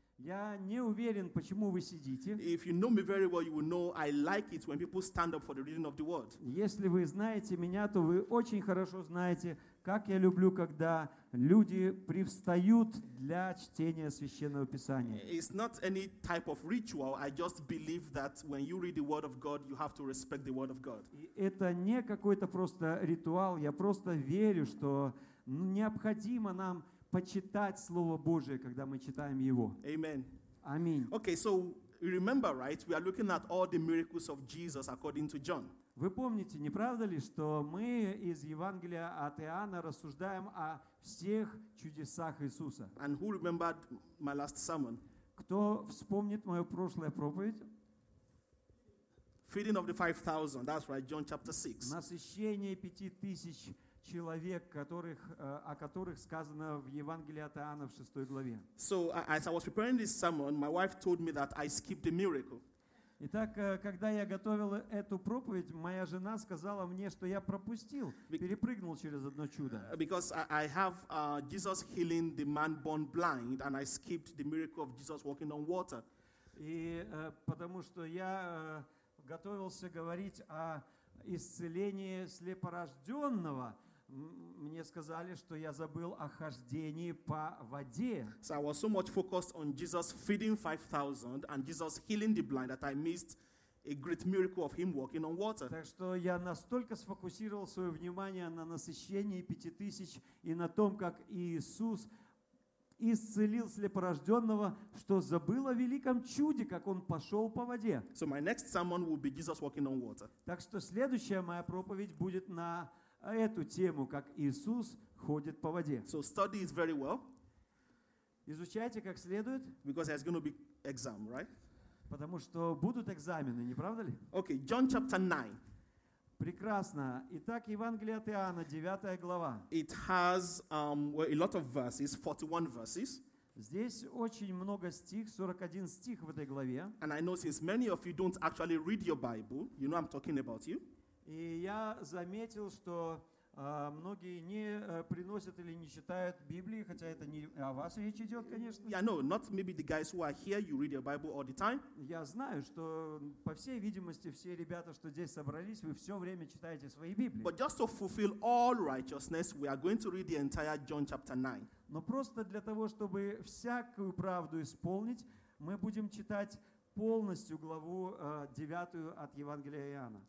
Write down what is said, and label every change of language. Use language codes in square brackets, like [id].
[ru] Я не уверен, почему вы сидите. [en] If you know me very well, you will know I like it when people stand up for the reading of the word. [ru] Если вы знаете меня, то вы очень хорошо знаете, как я люблю, когда люди привстают для чтения Священного Писания. [en] It's not any type of ritual. I just believe that when you read the word of God, you have to respect the word of God. [ru] Это не какой-то просто ритуал. Я просто верю, что необходимо нам почитать Слово Божие, когда мы читаем Его. [en] Amen. [ru] Аминь. [en] Okay, so remember, right? We are looking at all the miracles of Jesus according to John. [ru] Вы помните, не правда ли, что мы из Евангелия от Иоанна рассуждаем о всех чудесах Иисуса? [en] And who remembered my last sermon? [ru] Кто вспомнит мою прошлую проповедь? [en] Feeding of the 5,000. That's right, John chapter 6. [ru] Насыщение 5,000 человек, о которых сказано в Евангелии от Иоанна в 6 главе. [en] So, as I was preparing this sermon, my wife told me that I skipped the miracle. [ru] Итак, когда я готовил эту проповедь, моя жена сказала мне, что я пропустил, перепрыгнул через одно чудо. [en] Because I have Jesus healing the man born blind, and I skipped the miracle of Jesus walking on water. [ru] И потому что я готовился говорить о исцелении слепорожденного, мне сказали, что я забыл о хождении по воде. [en] So I was so much focused on Jesus feeding 5,000 and Jesus healing the blind that I missed a great miracle of him walking on water. [ru] Так что я настолько сфокусировал свое внимание на насыщении 5,000 и на том, как Иисус исцелил слепорожденного, что забыл о великом чуде, как он пошел по воде. [en] So my next sermon will be Jesus walking on water. [ru] Так что следующая моя проповедь будет на эту тему, как Иисус ходит по воде. [en] So study it very well. [ru] Изучайте как следует. [en] Because there's going to be exam, right? [ru] Потому что будут экзамены, не правда ли? [en] Okay, John chapter 9. [ru] Прекрасно. Итак, Евангелие от Иоанна, 9 глава. [en] It has a lot of verses, 41 verses. [ru] Здесь очень много стих, 41 стих в этой главе. [en] And I know since many of you don't actually read your Bible, you know I'm talking about you. [ru] И я заметил, что многие не приносят или не читают Библии, хотя это не о вас речь идет, конечно. [en] Yeah, no, not maybe the guys who are here, you read your Bible all the time. [ru] Я знаю, что, по всей видимости, все ребята, что здесь собрались, вы все время читаете свои Библии. [en] But just to fulfill all righteousness, we are going to read the entire John chapter 9. [ru] Но просто для того, чтобы всякую правду исполнить, мы будем читать полностью главу 9 от Евангелия Иоанна.